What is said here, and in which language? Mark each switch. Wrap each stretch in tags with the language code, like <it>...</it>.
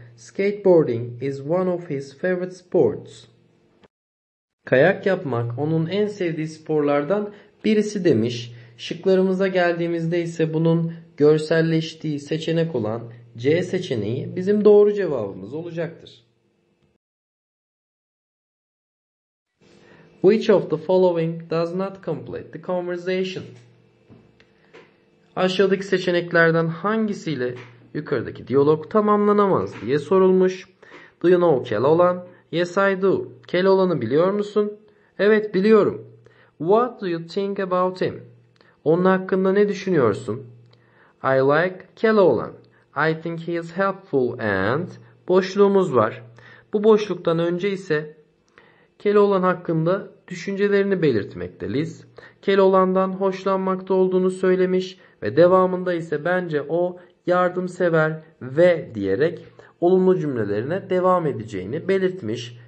<en>Skateboarding is one of his favorite sports.</en> <tr>Kayak yapmak onun en sevdiği sporlardan birisi demiş. Şıklarımıza geldiğimizde ise bunun görselleştiği seçenek olan C seçeneği bizim doğru cevabımız olacaktır.</tr> <en>Which of the following does not complete the conversation?</en> <tr>Aşağıdaki seçeneklerden hangisiyle yukarıdaki diyalog tamamlanamaz diye sorulmuş.</tr> <en>Do you know Keloğlan? Yes I do.</en> <tr>Keloğlan'ı biliyor musun? Evet biliyorum.</tr> <en>What do you think about him?</en> <tr>Onun hakkında ne düşünüyorsun?</tr> <en>I like Keloğlan. I think he is helpful and</en> <tr>boşluğumuz var. Bu boşluktan önce ise Keloğlan hakkında düşüncelerini belirtmekte Liz. Keloğlan'dan hoşlanmakta olduğunu söylemiş ve devamında ise bence o yardımsever ve diyerek olumlu cümlelerine devam edeceğini belirtmiş.</tr>